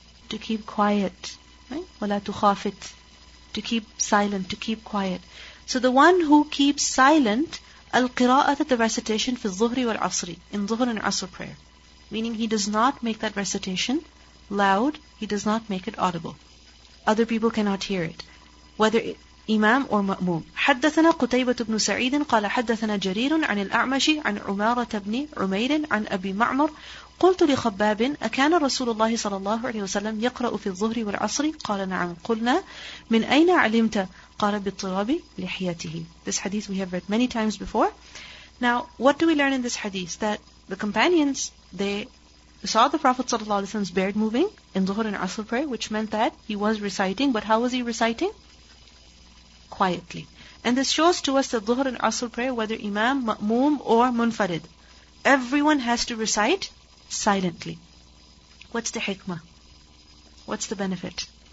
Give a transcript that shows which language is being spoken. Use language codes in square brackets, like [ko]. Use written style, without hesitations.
[en] To keep quiet. [ar] وَلَا تُخَافِتْ, [en] to keep silent, to keep quiet. So the one who keeps silent, al-qira'ata, the recitation [ar] fi al-zuhri wal-asri, [en] in zuhr and asr prayer. Meaning he does not make that recitation loud, he does not make it audible. Other people cannot hear it, whether imam or ma'moom. [ar] حَدَّثَنَا قُتَيْبَةُ بْنُ سَعِيدٍ قَالَ حَدَّثَنَا جَرِيرٌ عَنِ الْأَعْمَشِ عَنْ عُمَارَةَ بْنِ عُمَيْرٍ عَنْ أَبِي مَعْمَرٍ قلت لخباب أكان رسول الله صلى الله عليه وسلم يقرأ في الظهر والعصر قال نعم قلنا من أين علمت قال باضطراب لحيته. [en] This hadith we have read many times before. Now what do we learn in this hadith? That the companions, they saw the Prophet [ar] صلى الله عليه وسلم's [en] beard moving in ظهر and عصر prayer, which meant that he was reciting, but how was he reciting? Quietly. And this shows to us that ظهر and عصر prayer, whether imam, ma'moom or munfarid, everyone has to recite silently. What's the hikmah? What's the benefit?